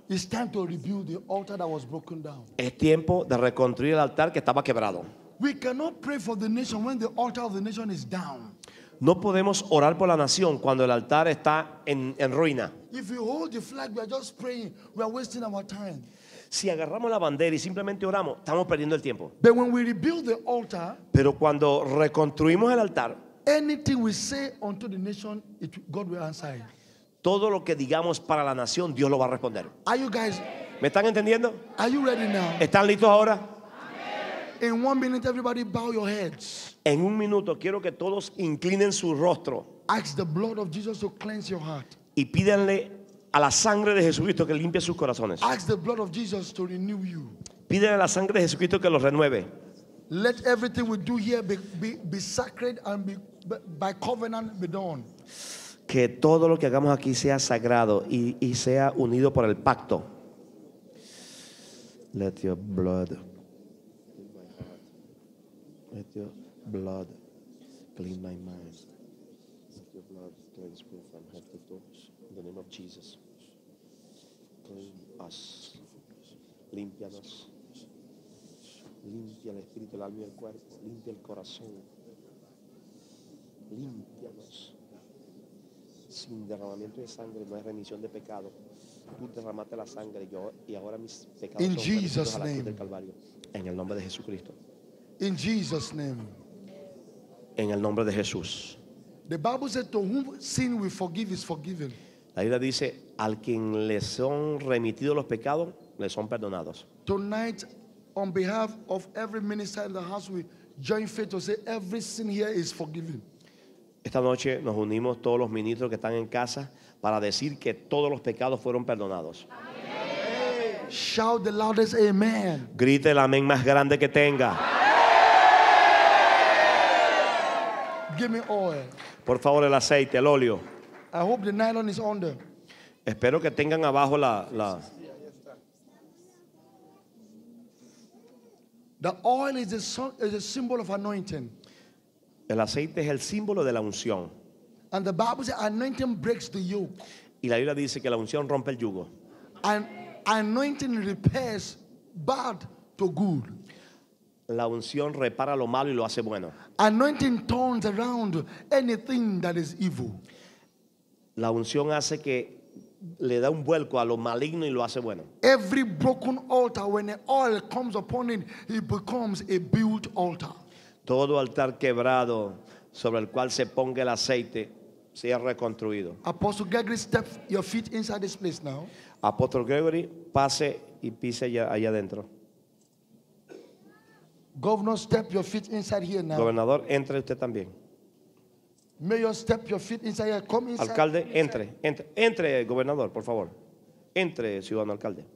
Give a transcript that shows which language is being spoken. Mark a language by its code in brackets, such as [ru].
[en] It's time to rebuild the altar that was broken down. [es] Es tiempo de reconstruir el altar que estaba quebrado. [en] We cannot pray for the nation when the altar of the nation is down. [es] No podemos orar por la nación cuando el altar está en ruina. [en] If we hold the flag, we are just praying. We are wasting our time. [es] Si agarramos la bandera y simplemente oramos, estamos perdiendo el tiempo. [en] But when we rebuild the altar, [es] pero cuando reconstruimos el altar, [en] anything we say unto the nation, God will answer it. [es] Todo lo que digamos para la nación, Dios lo va a responder. [en] Are you guys? [es] ¿Me están entendiendo? [en] Are you ready now? [es] ¿Están listos ahora? [en] In 1 minute, everybody bow your heads. [es] En un minuto quiero que todos inclinen su rostro. [en] Ask the blood of Jesus to cleanse your heart. [es] Y pídanle a la sangre de Jesucristo que limpie sus corazones. [en] Ask the blood of Jesus to renew you. [es] Pídanle a la sangre de Jesucristo que los renueve. [en] Let everything we do here be sacred and be by covenant be done. [es] Que todo lo que hagamos aquí sea sagrado y sea unido por el pacto. [en] Let your blood. Let your blood clean my mind. Let your blood cleanse me from head to toes. In the name of Jesus. Clean us. [es] Límpianos. Limpia el espíritu, el alma y el cuerpo. Limpia el corazón. Límpianos. Sin derramamiento de sangre no hay remisión de pecado. Tú derramaste la sangre yo, y ahora mis pecados [en] in [es] son [en] Jesus [es] a la cruz [en] name. [es] Del Calvario. En el nombre de Jesucristo. [en] In Jesus' name. [es] En el nombre de Jesús. [en] The Bible said, "To whom sin we forgive is forgiven." [es] La Biblia dice, al quien le son remitidos los pecados, le son perdonados. [en] Tonight, on behalf of every minister in the house, we join faith to say, every sin here is forgiven. [es] Esta noche nos unimos todos los ministros que están en casa para decir que todos los pecados fueron perdonados. [en] Amen. Shout the loudest, amen. [es] Grite el amén más grande que tenga. [en] Give me oil. [es] Por favor, el aceite, el óleo. [en] I hope the nylon is under. [es] Espero que tengan abajo la. [en] The oil is a symbol of anointing. [es] El aceite es el símbolo de la unción. [en] And the Bible says anointing breaks the yoke. [es] Y la Biblia dice que la unción rompe el yugo. [en] And anointing repairs bad to good. [es] La unción repara lo malo y lo hace bueno. [en] Anointing turns around anything that is evil. [es] La unción hace que le da un vuelco a lo maligno y lo hace bueno. [en] Every broken altar, when the oil comes upon it, it becomes a built altar. [es] Todo altar quebrado sobre el cual se ponga el aceite se ha reconstruido. [en] Apostle Gregory, step your feet inside this place now. [es] Apostle Gregory, pase y pise allá adentro. [en] Governor, step your feet inside here now. [es] Gobernador, entre usted también. [en] Mayor, step your feet inside here. Come inside. [es] Alcalde, entre, gobernador, por favor. Entre, ciudadano alcalde.